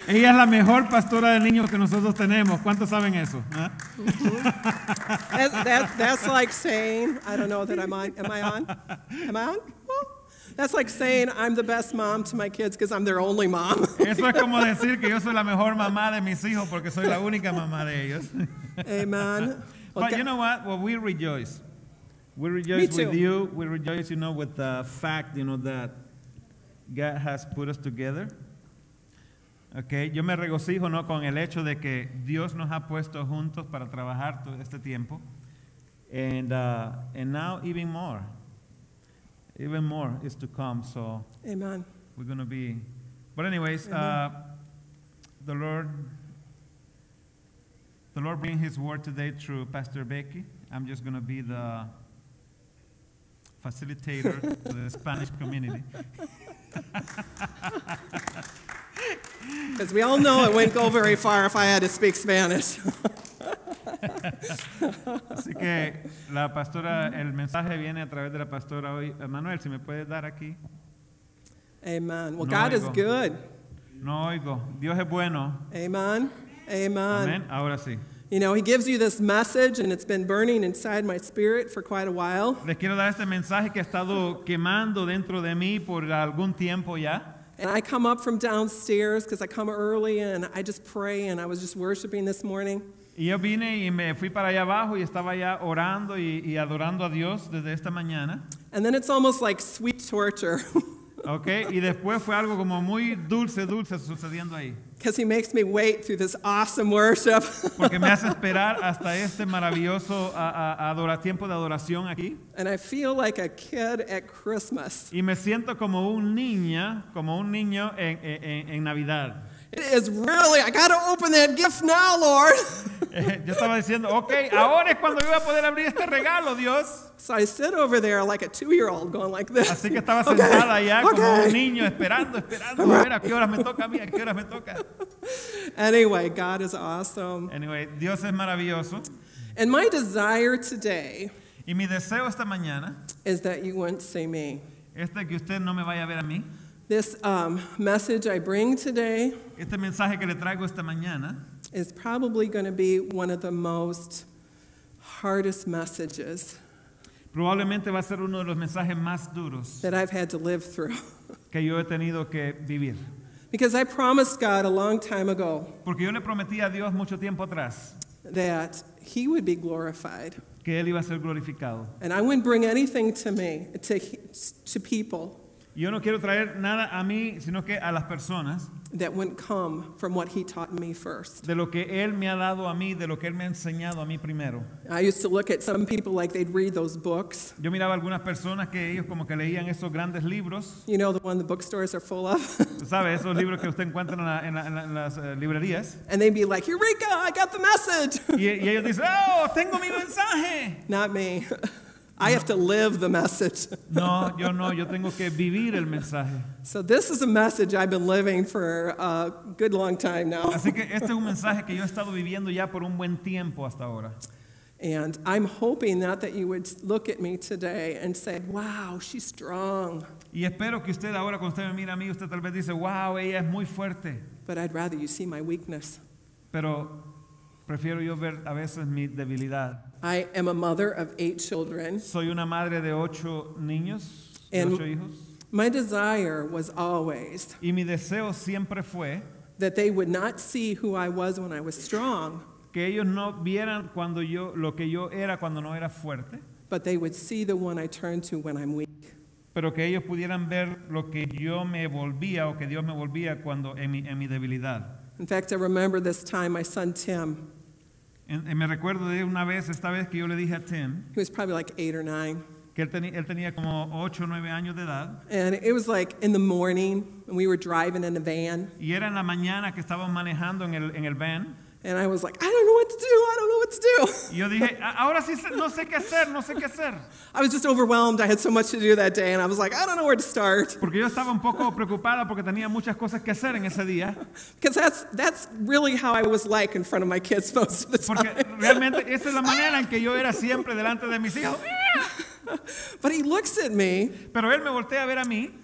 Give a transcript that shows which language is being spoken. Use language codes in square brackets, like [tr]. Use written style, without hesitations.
[es] Ella es la mejor pastora de niños que nosotros tenemos. ¿Cuántos saben eso? Mm-hmm. [en] That's like saying, I don't know that I'm on. Am I on? That's like saying I'm the best mom to my kids because I'm their only mom. [es] Eso es como decir que yo soy la mejor mamá de mis hijos porque soy la única mamá de ellos. [en] Amen. But you know what? Well, we rejoice. We rejoice with you. We rejoice, you know, with the fact, you know, that God has put us together. Okay. [es] Yo me regocijo, ¿no?, con el hecho de que Dios nos ha puesto juntos para trabajar todo este tiempo. [en] And now even more. Even more is to come, so amen. We're going to be... But anyways, the Lord bring his word today through Pastor Becky. I'm just going to be the facilitator to the Spanish community. Because we all know it wouldn't go very far if I had to speak Spanish. [es] Así que la pastora, el mensaje viene a través de la pastora hoy. Manuel, si me puedes dar aquí. [en] Amen. Well, no, God oigo. Is good. [es] No oigo. Dios es bueno. [en] Amen. Amen. [es] Amen. Ahora sí. [en] You know, he gives you this message and it's been burning inside my spirit for quite a while. [es] Les quiero dar este mensaje que ha estado quemando dentro de mí por algún tiempo ya. [en] And I come up from downstairs because I come early and I just pray and I was just worshiping this morning. [es] Y yo vine y me fui para allá abajo y estaba allá orando y adorando a Dios desde esta mañana. [en] And then it's almost like sweet torture. [es] Okay, y después fue algo como muy dulce sucediendo ahí. [en] Because he makes me wait through this awesome worship. [es] Porque me hace esperar hasta este maravilloso tiempo de adoración aquí. [en] And I feel like a kid at Christmas. [es] Y me siento como un niño en Navidad. [en] It is really, I gotta open that gift now, Lord. [es] Yo estaba diciendo, okay, ahora es cuando voy a poder abrir este regalo, Dios. [en] So I sit over there like a two-year-old going like this. [es] Así que estaba sentada allá como un niño esperando. A ver, ¿a qué horas me toca a mí? ¿A qué horas me toca? [en] Anyway, God is awesome. [es] Anyway, Dios es maravilloso. [en] And my desire today [es] y mi deseo esta mañana [en] is that you wouldn't see me. [es] Es de que usted no me vaya a ver a mí. [en] This message I bring today [es] este mensaje que le traigo esta mañana [en] is probably going to be one of the most hardest messages [es] probablemente va a ser uno de los mensajes más duros [en] that I've had to live through. [es] Que yo he tenido que vivir. [en] Because I promised God a long time ago [es] porque yo le prometí a Dios mucho tiempo atrás [en] that he would be glorified. [es] Que él iba a ser glorificado. [en] And I wouldn't bring anything to people. [es] Yo no quiero traer nada a mí, sino que a las personas. [en] That wouldn't come from what he taught me first. [es] De lo que él me ha dado a mí, de lo que él me ha enseñado a mí primero. [en] I used to look at some people like they'd read those books. [es] Yo miraba algunas personas que ellos como que leían esos grandes libros. [en] You know the one the bookstores are full of. [es] ¿Sabes esos libros que usted encuentra en las librerías? [en] And they'd be like, "Eureka, I got the message." [es] Y ellos dicen, "Oh, tengo mi mensaje." [en] Not me. I have to live the message. [es] No, yo no, yo tengo que vivir el mensaje. [en] So this is a message I've been living for a good long time now. [es] Así que este es un mensaje que yo he estado viviendo ya por un buen tiempo hasta ahora. [en] And I'm hoping that you would look at me today and say, "Wow, she's strong." [es] Y espero que usted ahora cuando usted me mira a mí, usted tal vez dice, "Wow, ella es muy fuerte." [en] But I'd rather you see my weakness. [es] Pero prefiero yo ver a veces mi debilidad. [en] I am a mother of 8 children. [es] Soy una madre de 8 niños, [en] and [es] 8 hijos. [en] My desire was always [es] y mi deseo siempre fue [en] that they would not see who I was when I was strong. [es] Que ellos no vieran cuando yo lo que yo era cuando no era fuerte. [en] But they would see the one I turn to when I'm weak. [es] Pero que ellos pudieran ver lo que yo me volvía o que Dios me volvía cuando en mi debilidad. [en] In fact, I remember this time my son Tim. [es] Y me recuerdo de una vez, esta vez que yo le dije a Tim, [en] he was probably like 8 or 9. [es] Que él tenía como 8 o 9 años de edad. [en] And it was like in the morning and we were driving in the van. [es] Y era en la mañana que estábamos manejando en el van. [en] And I was like, "I don't know what to do. I don't know what to do." [es] Yo dije, "Ahora sí no sé qué hacer." [en] I was just overwhelmed. I had so much to do that day and I was like, "I don't know where to start." [es] Porque yo estaba un poco preocupada porque tenía muchas cosas que hacer en ese día. [en] Because that's really how I was like in front of my kids most of the time. [es] Porque realmente esa es la manera en que yo era siempre delante de mis hijos. [en] But he looks at me. [es] Pero él me voltea a ver a mí.